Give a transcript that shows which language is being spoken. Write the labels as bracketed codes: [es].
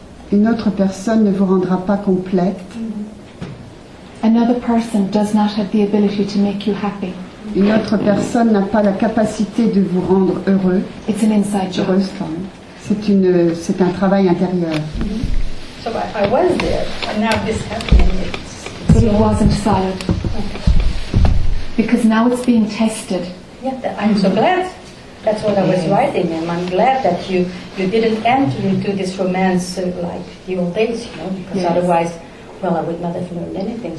[fr] Une autre personne ne vous rendra pas complète. [en] Another person does not have the ability to make you happy. [fr] Une autre personne n'a pas la capacité de vous rendre heureux. [en] It's an inside job. [fr] Heureuse, quand même. C'est un travail intérieur. [en] Mm-hmm. So I was there, and now this happened. But it wasn't solid. Because now it's being tested. Yeah, I'm so glad. That's what I was writing, and I'm glad that you didn't enter into this romance like the old days, you know, because otherwise, well, I would not have learned anything.